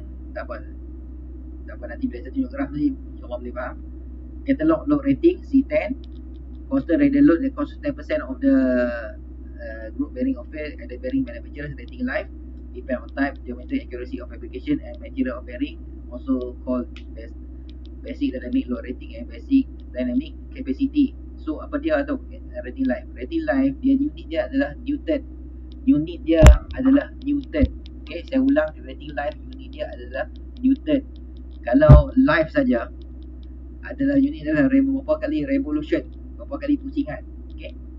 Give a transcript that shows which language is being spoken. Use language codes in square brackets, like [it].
[ms] Tak apa, nanti bila saya tunjuk graf ni orang boleh faham. [en] Catalog load rating C10, constant radial load that causes 10% of the group bearing of fail at the bearing manufacturer's rating life, depend on type, geometric accuracy of application and material of bearing, also called basic dynamic load rating and basic dynamic capacity. [ms] So apa dia tu rating life? Rating life dia unit dia adalah Newton. Unit dia adalah Newton. Okay, saya ulang, rating life unit dia adalah Newton. Kalau life saja adalah unit adalah berapa kali revolution, berapa kali pusingan. Okay.